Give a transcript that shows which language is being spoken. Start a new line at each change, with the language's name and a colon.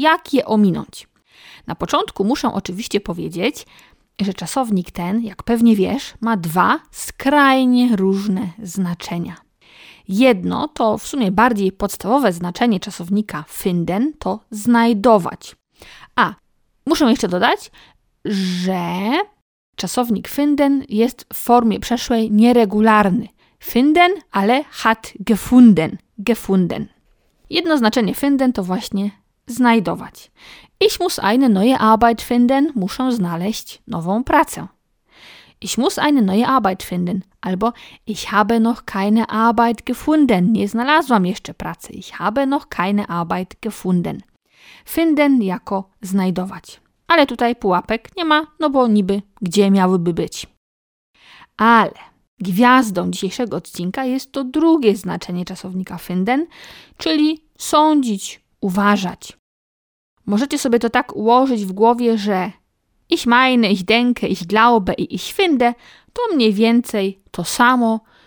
Polish: Jak je ominąć? Na początku muszę oczywiście powiedzieć, że czasownik ten, jak pewnie wiesz, ma dwa skrajnie różne znaczenia. Jedno, to w sumie bardziej podstawowe znaczenie czasownika finden, to znajdować. A, muszę jeszcze dodać, że czasownik finden jest w formie przeszłej nieregularny.
German: Finden, ale hat gefunden, gefunden.
Polish: Jedno znaczenie finden to właśnie znajdować.
German: Ich muss eine neue Arbeit finden,
Polish: muszę znaleźć nową pracę.
German: Ich muss eine neue Arbeit finden. Albo ich habe noch keine Arbeit gefunden.
Polish: Nie znalazłam jeszcze pracy.
German: Ich habe noch keine Arbeit gefunden.
Polish: Finden jako znajdować. Ale tutaj pułapek nie ma, no bo niby gdzie miałyby być. Ale gwiazdą dzisiejszego odcinka jest to drugie znaczenie czasownika finden, czyli sądzić, uważać. Możecie sobie to tak ułożyć w głowie, że
German: ich meine, ich denke, ich glaube
Polish: i
German: ich finde
Polish: to mniej więcej to samo.